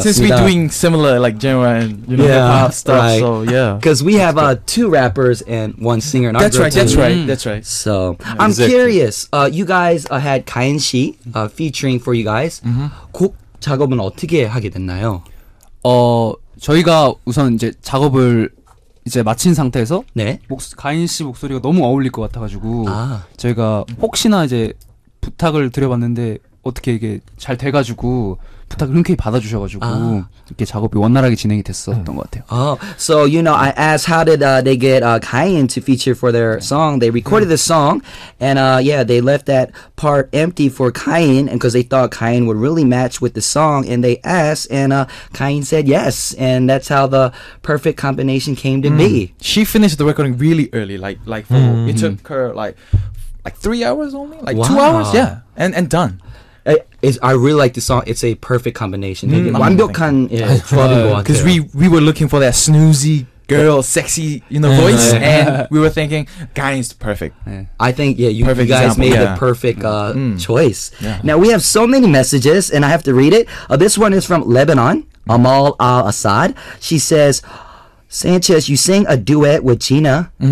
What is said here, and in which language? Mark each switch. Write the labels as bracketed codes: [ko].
[en] Since we're doing similar like genre and you know yeah, pop stuff right. so yeah Because we have two rappers and one singer in That's our right group. That's right So yeah, I'm exactly. curious you guys had Kyan Shi featuring for you guys mm-hmm. [ko] 작업은 어떻게 하게 됐나요? 저희가 우선 이제 작업을 이제 마친 상태에서 네? 가인 씨 목소리가 너무 어울릴 것 같아가지고 저희가 혹시나 이제 부탁을 드려봤는데 어떻게 이게 잘 돼가지고 부탁을 흔쾌히 받아주셔가지고 아. 이렇게 작업이 원활하게 진행이 됐었던 것 같아요. [en] Oh, so you know, I asked how did they get Kaiyan to feature for their song. They recorded the song, and yeah, they left that part empty for Kaiyan, and because they thought Kaiyan would really match with the song, and they asked, and Kaiyan said yes, and that's how the perfect combination came to be. She finished the recording really early, like for, it took her like 3 hours only, like wow. 2 hours, yeah, and done. I really like the song. It's a perfect combination. [ko] Mm, 완벽한 조합인 것 같아요. [en] Because we were looking for that snoozy girl, sexy, you know, voice, and we were thinking, Kaiyan's perfect. Yeah. I think yeah, you guys example. Made yeah. the perfect choice. Yeah. Now we have so many messages, and I have to read it. This one is from Lebanon, Amal Al Assad. She says, Sanchez, you sang a duet with Gina.